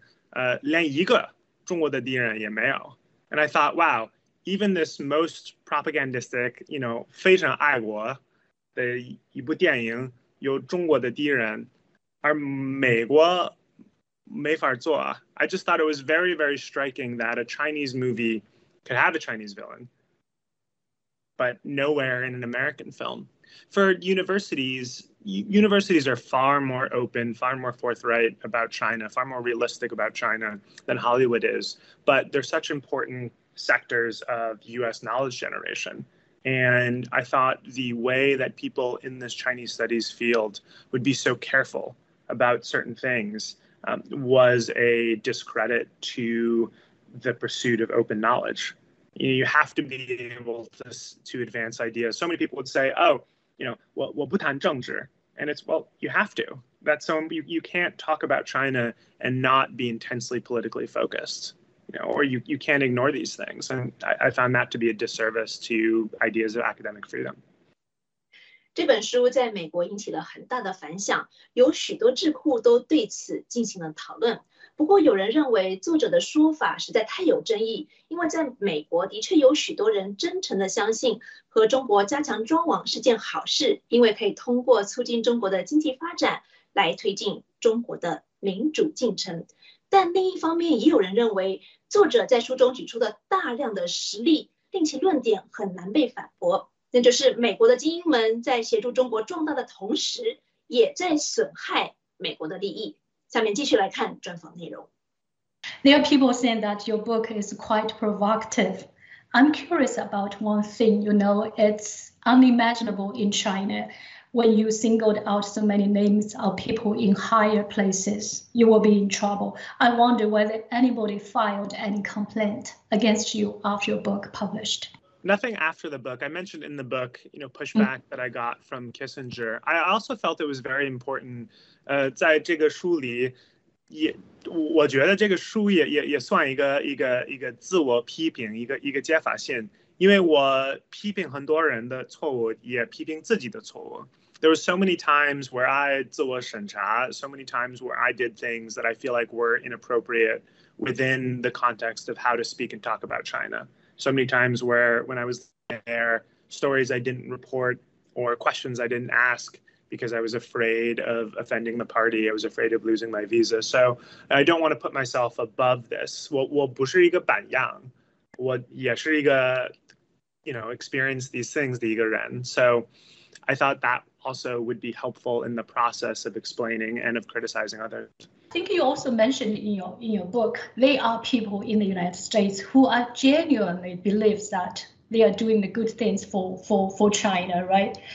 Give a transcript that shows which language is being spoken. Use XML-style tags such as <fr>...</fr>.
<zh>而所有的好莱坞的电影，连一个中国的敌人也没有.</zh> <en>And I thought, wow, even this most propagandistic, you know,</en> <zh>非常爱国的一部电影有中国的敌人，而美国没法做.</zh> <en>I just thought it was very, very striking that a Chinese movie could have a Chinese villain, but nowhere in an American film. For universities, universities are far more open, far more forthright about China, far more realistic about China than Hollywood is. But they're such important sectors of US knowledge generation. And I thought the way that people in this Chinese studies field would be so careful about certain things was a discredit to the pursuit of open knowledge. You have to be able to advance ideas. So many people would say, oh, you know,</en> <zh>我不谈政治.</zh> <en>And it's, well, you have to. That's so, you can't talk about China and not be intensely politically focused. know, or you can't ignore these things. And I found that to be a disservice to ideas of academic freedom.</en> <zh>这本书在美国引起了很大的反响，有许多智库都对此进行了讨论。不过有人认为作者的说法实在太有争议，因为在美国的确有许多人真诚地相信和中国加强中网是件好事，因为可以通过促进中国的经济发展来推进中国的民主进程。但另一方面，也有人认为作者在书中举出的大量的实例令其论点很难被反驳，那就是美国的精英们在协助中国壮大的同时也在损害美国的利益。下面继续来看专访内容。</zh> <en>There are people saying that your book is quite provocative. I'm curious about one thing. You know, it's unimaginable in China when you singled out so many names of people in higher places. You will be in trouble. I wonder whether anybody filed any complaint against you after your book published. Nothing after the book. I mentioned in the book, you know, pushback that I got from Kissinger. I also felt it was very important.</en> <zh>在这个书里也，我觉得这个书也算一个自我批评，一个解法线。因为我批评很多人的错误，也批评自己的错误。</zh> <en>There were so many times where I</en> <zh>自我审查</zh> <en>so many times where I did things that I feel like were inappropriate within the context of how to speak and talk about China. So many times where when I was there, stories I didn't report or questions I didn't ask because I was afraid of offending the party, I was afraid of losing my visa. So I don't want to put myself above this.</en> <zh>我不是一个板样，我也是一个,</zh> <en>you know, experience these things</en> <zh>的一个人。</zh> <en>So I thought that also would be helpful in the process of explaining and of criticizing others. I think you also mentioned in your book, there are people in the United States who are genuinely believes that they are doing the good things for China, right?</en>